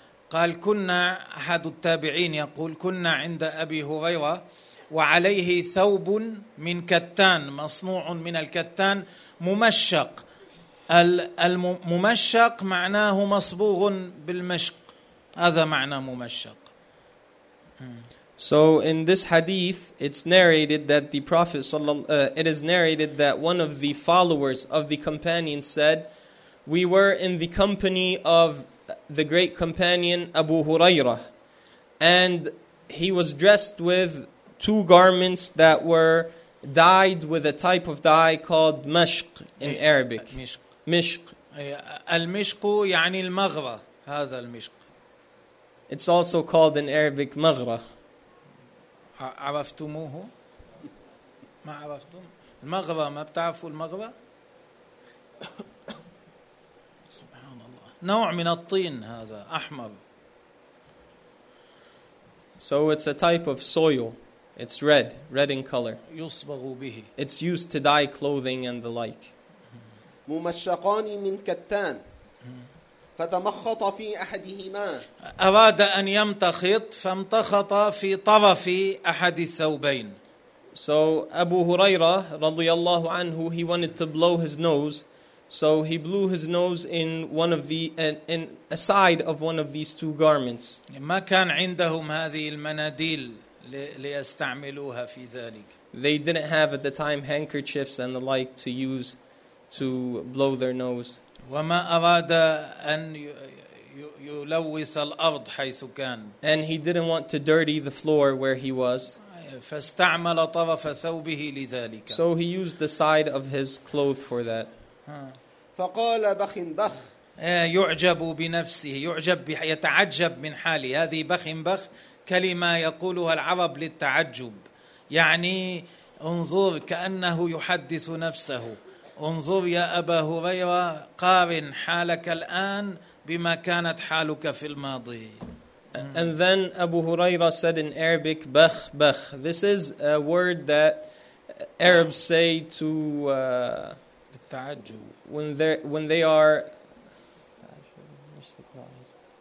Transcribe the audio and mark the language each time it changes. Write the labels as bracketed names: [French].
[Arabic] قال كنا أحد التابعين يقول كنا عند أبي هريرة وعليه ثوب من كتان مصنوع من الكتان ممشق. الممشق معناه مصبوغ بالمشق. هذا معنى ممشق. [English] So in this hadith, it's narrated that the Prophet it is narrated that one of the followers of the companion said, "We were in the company of the great companion Abu Huraira, and he was dressed with two garments that were dyed with a type of dye called mashq in Arabic." [Arabic] مشق. المشق يعني المغرة. هذا المشق. [English] It's also called in Arabic مغرة. [Arabic] عرفتموه؟ ما عرفتم؟ المغرة ما بتعرفوا المغرة؟ سبحان الله. نوع من الطين هذا أحمر. [English] So it's a type of soil. It's red, red in color. [Arabic] يصبغ به. [English] It's used to dye clothing and the like. [Arabic] ممشقان من كتان فتمخط في أحدهما. أراد أن يمتخط فامتخط في طرف أحد الثوبين. [English] So Abu Huraira [Arabic] رضي الله عنه, [English] he wanted to blow his nose, so he blew his nose in one of the in a side of one of these two garments. [Arabic] ما كان عندهم هذه المناديل ليستعملوها في ذلك. [English] They didn't have at the time handkerchiefs and the like to use to blow their nose. [Arabic] وما أراد أن يلوث الأرض حيث كان. [English] And he didn't want to dirty the floor where he was. [Arabic] فاستعمل طرف ثوبه لذلك. [English] So he used the side of his cloth for that. [Arabic] فقال بخ بخ. يعجب بنفسه, يعجب يتعجب من حالي. هذه بخ بخ كلمة يقولها العرب للتعجب. يعني انظر كأنه يحدث نفسه. انظر يا أبا هريرة قارن حالك الآن بما كانت حالك في الماضي. [English] And then Abu Huraira said in Arabic, "Bakh, bakh." This is a word that Arabs say to [Arabic] التعجب. [English] When they are surprised.